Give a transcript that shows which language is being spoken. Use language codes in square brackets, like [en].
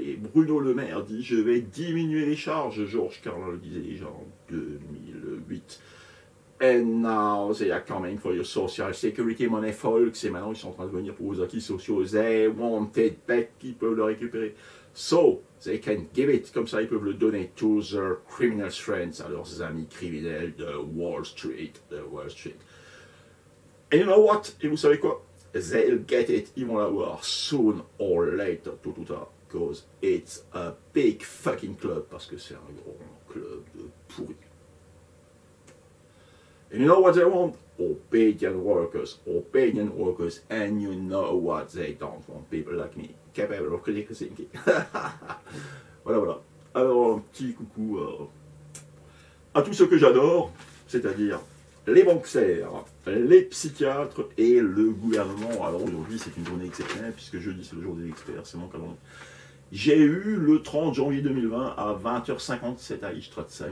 [fr] Et Bruno Le Maire dit, je vais diminuer les charges, Georges Carlin le disait déjà en 2008. [en] And now they are coming for your social security money, folks. [fr] Et maintenant, ils sont en train de venir pour vos acquis sociaux. [en] They want it back. [fr] Ils peuvent le récupérer. [en] So, they can give it. [fr] Comme ça, ils peuvent le donner [en] to their criminal friends, [fr] à leurs amis criminels de Wall Street. [en] And you know what? [fr] Et vous savez quoi? [en] They'll get it. [fr] Ils vont l'avoir [en] soon or later. [fr] Tout ou tard. [en] Because it's a big fucking club. [fr] Parce que c'est un grand club de pourri. [en] And you know what they want? Obedient workers, and you know what they don't want? People like me, capable of critical thinking. Voilà. [fr] Alors, un petit coucou à tous ceux que j'adore, c'est-à-dire les banquiers, les psychiatres et le gouvernement. Alors aujourd'hui, c'est une journée exceptionnelle, puisque jeudi, c'est le jour des experts, c'est mon calendrier. J'ai eu le 30 janvier 2020 à 20h57 à Ichtratsheim.